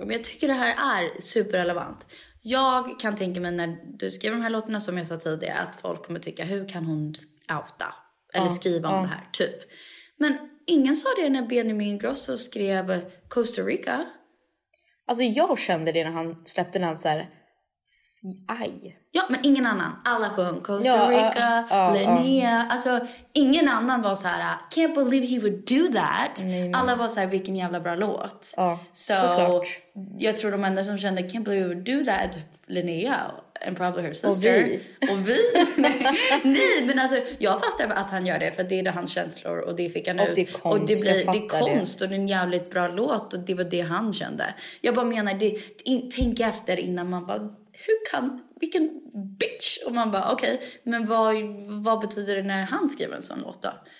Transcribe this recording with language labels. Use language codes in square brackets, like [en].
[sv] Men jag tycker det här är superrelevant. Jag kan tänka mig när du skriver de här låtarna, som jag sa tidigare, att folk kommer tycka, hur kan hon outa? Eller skriva om det här, typ. Men ingen sa det när Benjamin Grosso skrev Costa Rica. Alltså jag kände det när han släppte den så här, aj. Ja, men ingen annan. Alla sjöng Costa Rica, Linnea. Alltså, ingen annan var så här, [en] can't believe he would do that. [sv] Nej. Alla var så här, vilken jävla bra låt. Så klart. Jag tror de enda som kände, [en] can't believe he would do that, Linnea and probably her sister. [sv] Och vi. Nej, men alltså, jag fattar att han gör det, för det är det hans känslor och det fick han och ut. Det och det blir det är konst och det är en jävligt bra låt och det var det han kände. Jag bara menar, tänk efter innan man bara, hur kan, vilken bitch, och man bara okej, okay, men vad betyder det när han skriver en sån låt då?